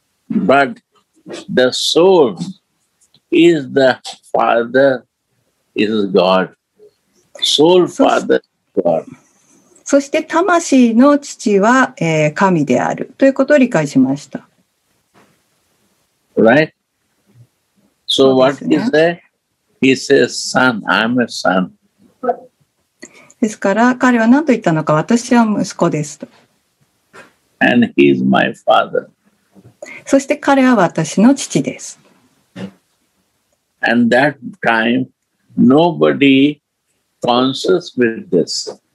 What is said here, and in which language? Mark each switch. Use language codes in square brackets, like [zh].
[en] But the soul is the father is God. Soul father, God. [ja] そして魂の父は、神であるということを理解しました。 [en] Right? So what he says? He says, son, I'm a son. [ja] ですから彼は何と言ったのか、私は息子ですと。 [en] And he is my father. [ja] そして彼は私の父です。 [en] And that time, nobody conscious with this.